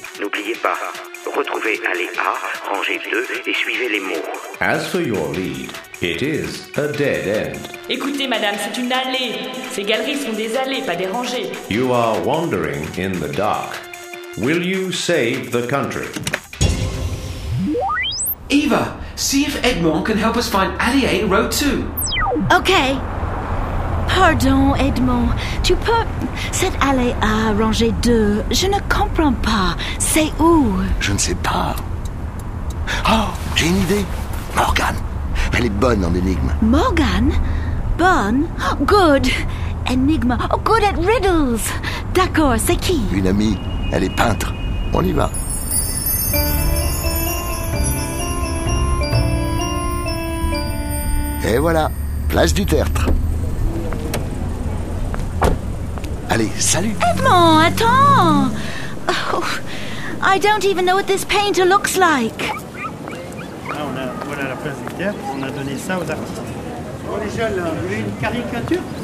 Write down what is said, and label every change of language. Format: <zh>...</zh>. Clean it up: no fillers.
<fr>N'oubliez pas, retrouvez allée A, rangée 2 et suivez les mots.</fr> <en>As for your lead, it is a dead end.</en> <fr>Écoutez, madame, c'est une allée. Ces galeries sont des allées, pas des rangées.</fr> <en>You are wandering in the dark. Will you save the country? Eva, see if Edmond can help us find allée A, row 2.</en> <fr>Okay. Pardon, Edmond. Tu peux... Cette allée A, rangée 2, je ne comprends pas. C'est où? Je ne sais pas. Oh, j'ai une idée. Morgane. Elle est bonne en énigmes.</fr> <en>Morgane? Bonne? Good. Enigma. Oh, good at riddles.</en> <fr>D'accord, c'est qui? Une amie. Elle est peintre. On y va. Et voilà, place du Tertre. Allez, salut. Edmond, attends.</fr> <en>Oh, I don't even know what this painter looks like.</en> <fr>On a la place du Tertre, on a donné ça aux artistes. Oh, les jeunes, là, vous voulez une caricature?</fr>